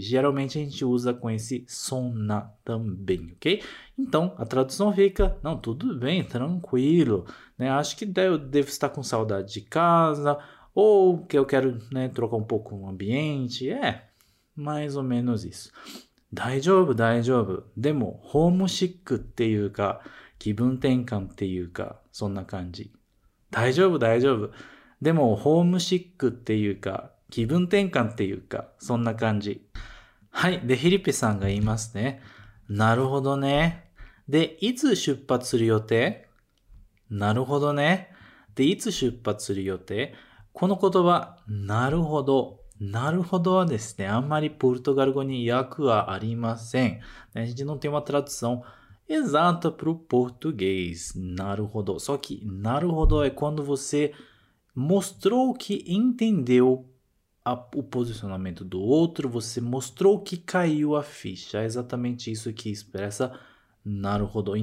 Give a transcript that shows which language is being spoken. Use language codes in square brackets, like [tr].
[pt] Geralmente a gente usa com esse sonna também, ok? Então, a tradução fica, não, tudo bem, tranquilo, né? Acho que eu devo estar com saudade de casa, ou que eu quero, né, trocar um pouco o ambiente, mais ou menos isso. [ja] 大丈夫、大丈夫。でも、ホームシックっていうか、気分転換っていうか、そんな感じ。大丈夫、大丈夫。でも、ホームシックっていうか、気分転換っていうか、そんな感じ。はい。で、フィリペさんが言いますね。なるほどね。で、いつ出発する予定？なるほどね。で、いつ出発する予定？この言葉、なるほど。なるほどはですね、あんまりポルトガル語に訳はありません。 [pt] A gente não tem uma tradução exata para o português. [ja] なるほど。 [pt] Só que なるほど é quando você mostrou que entendeu o posicionamento do outro, você mostrou que caiu a ficha. É exatamente isso que expressa なるほど。